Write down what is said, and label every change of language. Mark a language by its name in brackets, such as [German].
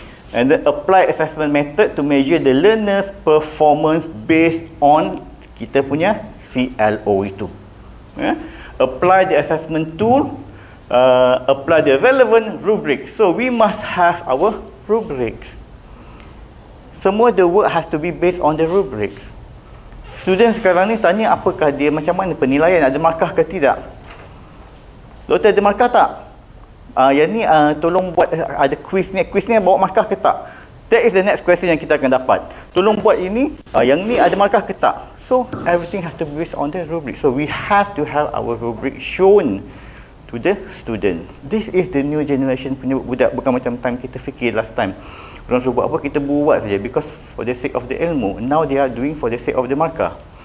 [English] And then apply assessment method to measure the learner's performance based on [Malay] kita punya CLO itu. [English] Yeah? Apply the assessment tool. Apply the relevant rubric. So we must have our rubrics. Semua the work has to be based on the rubrics. [Malay] Student sekarang ni tanya apakah dia, macam mana penilaian, ada markah ke tidak? Doktor ada markah tak? Yang ni tolong buat ada quiz ni. Quiz ni bawa markah ke tak? [English] That is the next question [Malay] yang kita akan dapat. Tolong buat ini, yang ni ada markah ke tak? [English] So everything has to be based on the rubric. So we have to have our rubric shown to the student. This is the new generation [Malay] punya budak. Bukan macam time kita fikir [English] last time. [Malay] Orang suruh buat apa, kita buat saja. [English] Because for the sake of the ilmu, now they are doing for the sake of the markah.